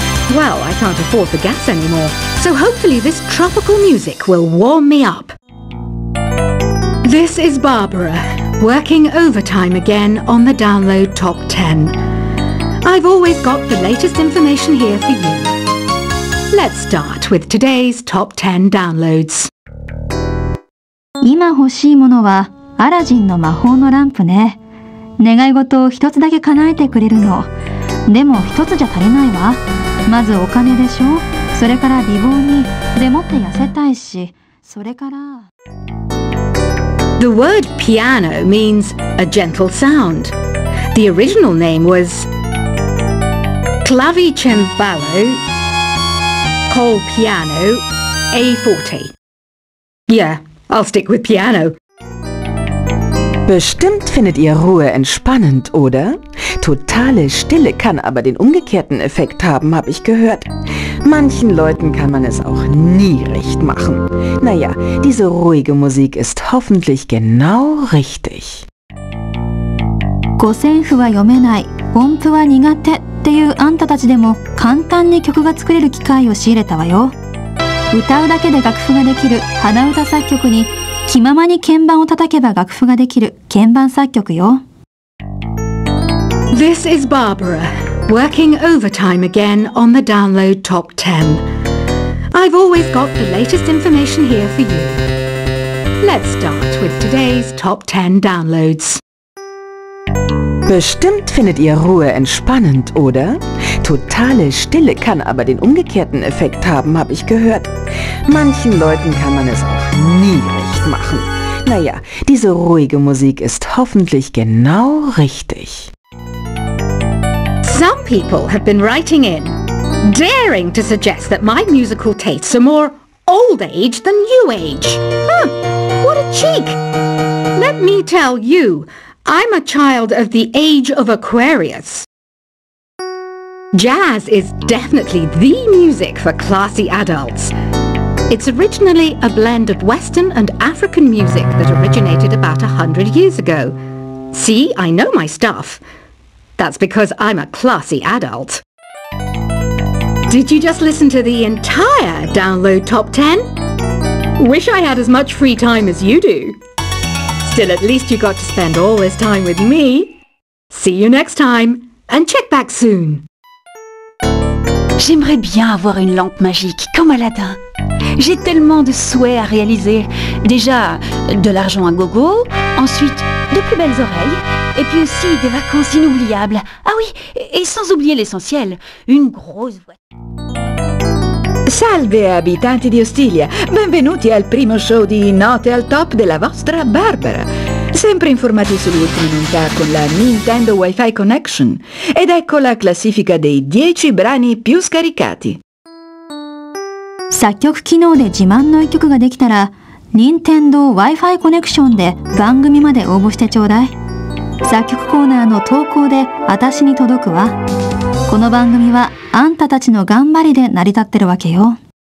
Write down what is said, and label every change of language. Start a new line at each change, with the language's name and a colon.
English: Well, I can't afford the gas anymore, so hopefully this tropical music will warm me up. This is Barbara, working overtime again on the Download Top 10. I've always got the latest information here for you. Let's start with today's Top 10 downloads.
Japanese: 今欲しいものはアラジンの魔法のランプね。願い事を一つだけ叶えてくれるの。でも一つじゃ足りないわ。まずお金でしょ。それから美貌に。でもって痩せたいし。それから。
English: The word piano means a gentle sound. The original name was
Italian: Clavicembalo col piano a forte.
English: Yeah, I'll stick with piano.
German: Bestimmt findet ihr Ruhe entspannend, oder? Totale Stille kann aber den umgekehrten Effekt haben, habe ich gehört. Manchen Leuten kann man es auch nie recht machen. Naja, diese ruhige Musik ist hoffentlich genau richtig.
Japanese: 五線譜は読めない、音符は苦手っていうあんたたちでも簡単に曲が作れる機会を仕入れたわよ。歌うだけで楽譜ができる鼻歌作曲に、気ままに鍵盤を叩けば楽譜ができる鍵盤作曲よ。
English: This is Barbara, working overtime again on the Download Top 10. I've always got the latest information here for you. Let's start with today's Top 10 downloads.
German: Bestimmt findet ihr Ruhe entspannend, oder? Totale Stille kann aber den umgekehrten Effekt haben, habe ich gehört. Manchen Leuten kann man es auch nie recht machen. Naja, diese ruhige Musik ist hoffentlich genau richtig.
English: Some people have been writing in, daring to suggest that my musical tastes are more old age than new age. Huh, what a cheek! Let me tell you, I'm a child of the age of Aquarius. Jazz is definitely the music for classy adults. It's originally a blend of Western and African music that originated about 100 years ago. See, I know my stuff. That's because I'm a classy adult. Did you just listen to the entire Download Top 10? Wish I had as much free time as you do. Still, at least you got to spend all this time with me. See you next time and check back soon.
French: J'aimerais bien avoir une lampe magique comme Aladdin. J'ai tellement de souhaits à réaliser. Déjà, de l'argent à gogo, ensuite, de plus belles oreilles, et puis aussi des vacances inoubliables. Ah oui, et sans oublier l'essentiel, une grosse voiture.
Italian: Salve abitanti di Ostiglia, benvenuti al primo show di Note al Top della vostra Barbara. Sempre informati sull'ultima novità con la Nintendo Wi-Fi Connection. Ed ecco la classifica dei 10 brani più scaricati.
Japanese: 作曲機能で自慢の一曲ができたら、任天堂 Wi-Fi コネクションで番組まで応募してちょうだい。作曲コーナーの投稿で私に届くわ。この番組はあんたたちの頑張りで成り立ってるわけよ。